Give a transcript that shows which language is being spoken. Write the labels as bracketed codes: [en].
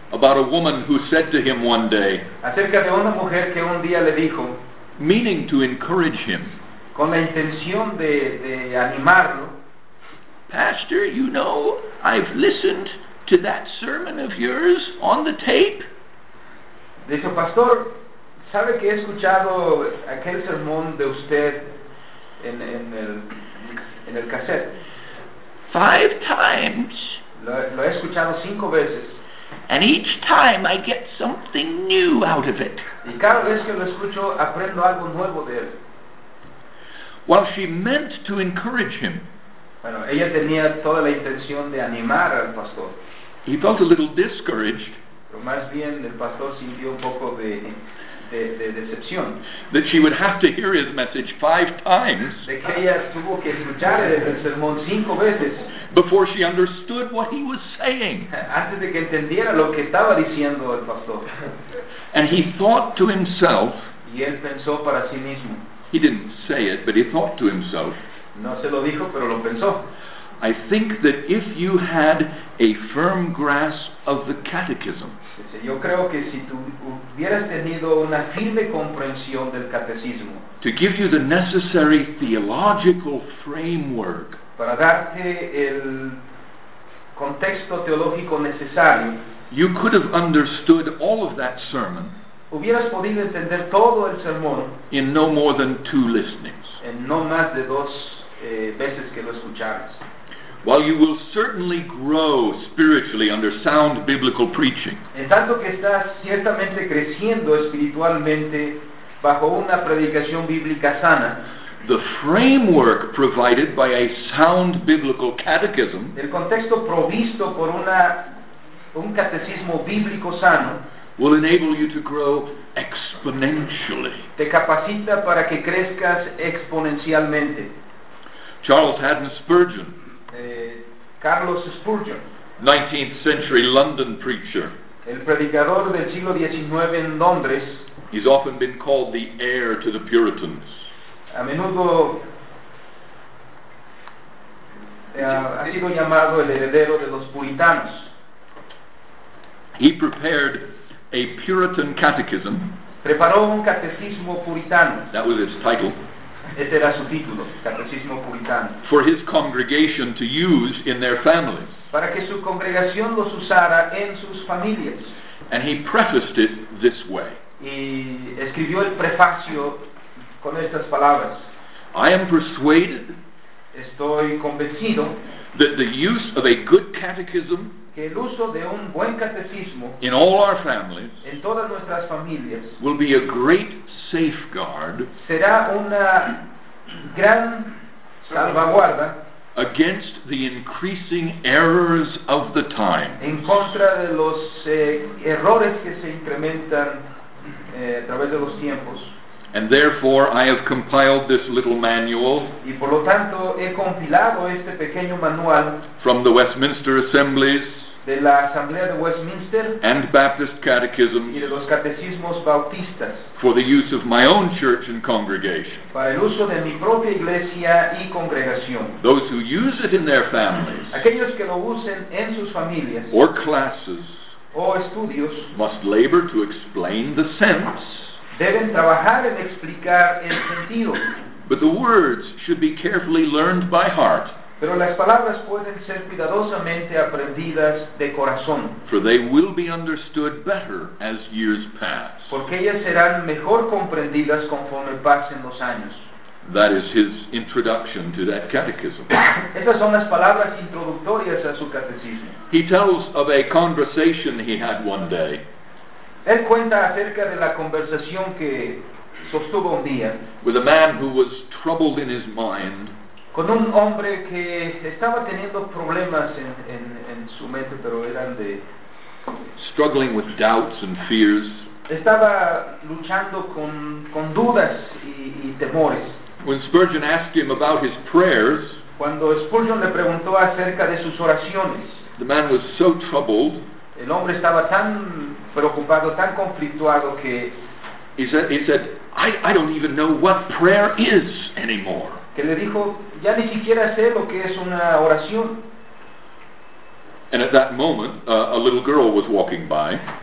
[en] about a woman who said to him one day, [es] acerca de una mujer que un día le dijo, [en] meaning to encourage him, [es] con la intención de animarlo, [en] "Pastor, you know, I've listened to that sermon of yours on the tape." [es] Dijo, "Pastor, ¿sabe que he escuchado aquel sermón de usted en el cassette? [en] 5 times. [es] Lo he escuchado 5 veces. [en] And each time I get something new out of it." [es] Y cada vez que lo escucho, aprendo algo nuevo de él. [en] Well, she meant to encourage him. [es] Bueno, ella tenía toda la intención de animar al pastor. [en] He felt a little discouraged. [es] Pero más bien el pastor sintió un poco de decepción. [en] That she would have to hear his message 5 times. [es] De que ella tuvo que escuchar el sermón 5 veces. [en] Before she understood what he was saying. [es] Antes de que entendiera lo que estaba diciendo el pastor. [en] And he thought to himself. [es] Y él pensó para sí mismo. [en] He didn't say it, but he thought to himself. [es] No se lo dijo, pero lo pensó. [en] "I think that if you had a firm grasp of the catechism." [es] Yo creo que si tú hubieras tenido una firme comprensión del catecismo. [en] "To give you the necessary theological framework." [es] Para darte el contexto teológico necesario. [en] "You could have understood all of that sermon." [es] Hubieras podido entender todo el sermón. [en] "In no more than 2 listenings." [es] En no más de 2 veces que lo escucharas. [en] "While you will certainly grow spiritually under sound biblical preaching." [es] En tanto que estás ciertamente creciendo espiritualmente bajo una predicación bíblica sana. [en] "The framework provided by a sound biblical catechism." [es] El contexto provisto por un catecismo bíblico sano. [en] "Will enable you to grow exponentially." [es] Te capacita para que crezcas exponencialmente. [en] Charles Haddon Spurgeon. [es] Carlos Spurgeon. [en] 19th century London preacher. [es] El predicador del siglo XIX en Londres. [en] He's often been called the heir to the Puritans. [es] A menudo ha sido llamado el heredero de los puritanos. [en] He prepared a Puritan catechism. [es] Preparó un catecismo puritano. [en] That was its title. [es] Ese era su título, catecismo puritano. [en] For his congregation to use in their families. [es] Para que su congregación los usara en sus familias. [en] And he prefaced it this way. [es] Y escribió el prefacio con estas palabras. [en] "I am persuaded." [es] Estoy convencido. [en] "That the use of a good catechism." [es] Que el uso de un buen catecismo. [en] "In all our families." [es] En todas nuestras familias. [en] "Will be a great safeguard." [es] Será una gran salvaguarda. [en] "Against the increasing errors of the time." [es] En contra de los errores que se incrementan a través de los tiempos. [en] "And therefore I have compiled this little manual." [es] Y por lo tanto he compilado este pequeño manual. [en] "From the Westminster Assemblies." [es] De la Asamblea de Westminster. [en] "And Baptist catechisms." [es] Y de los catecismos bautistas. [en] "For the use of my own church and congregation." [es] Para el uso de mi propia iglesia y congregación. [en] "Those who use it in their families." [es] Aquellos que lo usen en sus familias. [en] "Or classes." [es] O estudios. [en] "Must labor to explain the sense." [es] Deben trabajar en explicar el sentido. [en] "But the words should be carefully learned by heart." [es] Pero las palabras pueden ser cuidadosamente aprendidas de corazón. [en] "For they will be understood better as years pass." [es] Porque ellas serán mejor comprendidas conforme pasen los años. [en] That is his introduction to that catechism. [es] Esas son las palabras introductorias a su catecismo. [en] He tells of a conversation he had one day. [es] Él cuenta acerca de la conversación que sostuvo un día. [en] With a man who was troubled in his mind. [es] Con un hombre que estaba teniendo problemas en su mente, pero eran de... [en] Struggling with doubts and fears. [es] Estaba luchando con dudas y temores. [en] When Spurgeon asked him about his prayers. [es] Cuando Spurgeon le preguntó acerca de sus oraciones. [en] The man was so troubled. [es] El hombre estaba tan preocupado, tan conflictuado que... [en] He said, I don't even know what prayer is anymore. [es] Que le dijo, ya ni siquiera sé lo que es una oración. [en] And at that moment, a little girl was walking by.